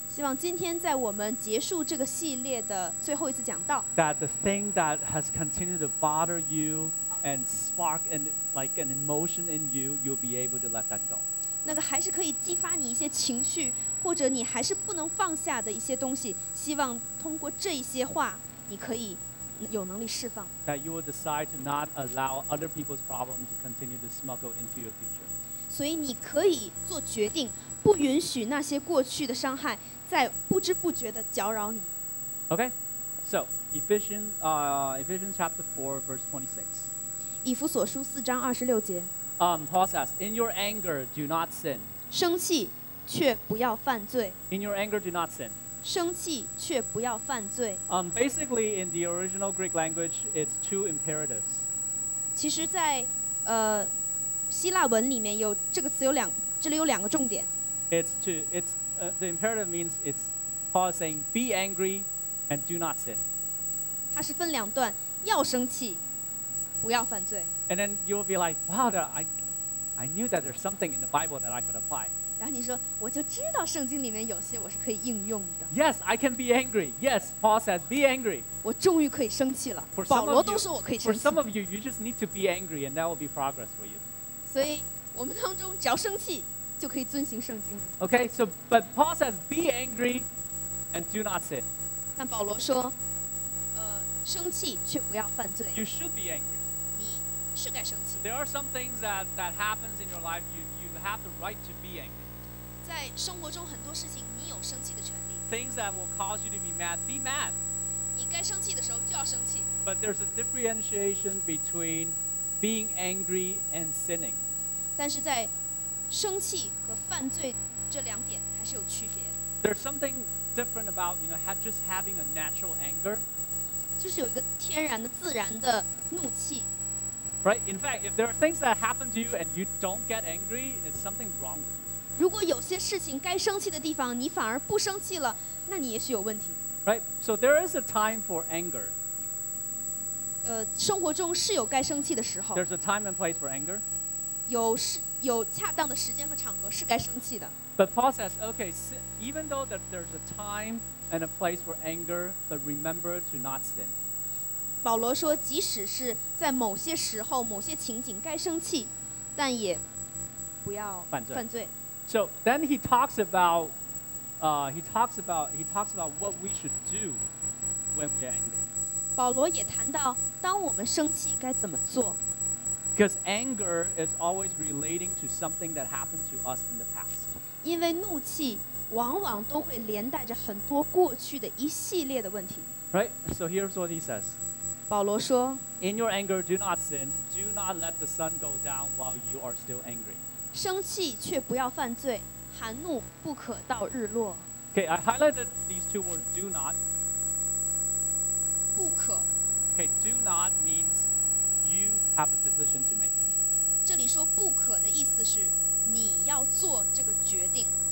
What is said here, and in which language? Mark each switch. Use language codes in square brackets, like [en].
[zh] 希望今天在我们结束这个系列的最后一次讲道， [en] that the thing that has continued to bother you and spark an, like an emotion in you, you'll be able to let that go. [zh] 那个还是可以激发你一些情绪，或者你还是不能放下的一些东西，希望通过这些话你可以有能力释放。 [en] That you will decide to not allow other people's problems to continue to smuggle into your future. [zh] 所以你可以做决定，不允许那些过去的伤害在不知不觉地搅扰你。 [en] Okay, so Ephesians chapter 4 verse 26. [zh] 以弗所书四章二十六节。 [en] Paul says, in your anger do not sin. [zh] 生气却不要犯罪。 [en] In your anger do not sin. [zh] 生气却不要犯罪。 [en] Basically, in the original Greek language, it's two imperatives. [zh] 其实在希腊文里面有这个词有两，这里有两个重点。 [en] The imperative means it's Paul saying be angry and do not sin. [zh] 它是分两段，要生气，不要犯罪。 [en] And then you'll be like, Father, I knew that there's something in the Bible that I could apply. [zh] 然后你说，我就知道圣经里面有些我是可以应用的。 [en] Yes, I can be angry. Yes, Paul says, be angry. [zh] 我终于可以生气了。保罗都说我可以生气。 [en] For some of you, you just need to be angry, and that will be progress for you. [zh] 所以我们当中只要生气，就可以遵行圣经。 [en] Okay, so but Paul says, be angry, and do not sin. [zh] 但保罗说，生气却不要犯罪。 [en] You should be angry. [zh] 你是该生气。 [en] There are some things that happens in your life. You have the right to be angry. [zh] 在生活中很多事情你有生气的权利。 [en] Things that will cause you to be mad, be mad. [zh] 你该生气的时候就要生气。 [en] But there's a differentiation between being angry and sinning. [zh] 但是在生气和犯罪这两点还是有区别。 [en] There's something different about, you know, just having a natural anger. [zh] 就是有一个天然的自然的怒气。 [en] Right, in fact, if there are things that happen to you and you don't get angry, it's something wrong with you. [zh] 如果有些事情该生气的地方你反而不生气了，那你也许有问题。 [en] Right, so there is a time for anger. [zh] 生活中是有该生气的时候。 [en] There's a time and place for anger. [zh] 有恰当的时间和场合是该生气的。 [en] But Paul says, okay, even though that there's a time and a place for anger, but remember to not sin. [zh] 保罗说，即使是在某些时候、某些情景该生气，但也不要犯罪。 [en] So then he talks about, what we should do when we're angry. [zh] 保罗也谈到，当我们生气该怎么做。 [en] Because anger is always relating to something that happened to us in the past. [zh] 因为怒气往往都会连带着很多过去的一系列的问题。 [en] Right. So here's what he says. [zh] 保罗说 [en] ，In your anger, do not sin. Do not let the sun go down while you are still angry. [zh] 生气却不要犯罪，含怒不可到日落。 [en] Okay, I highlighted these two words, do not. [zh] 不可。 [en] Okay, do not means you have a decision to make. [zh] 这里说不可的意思是你要做这个决定。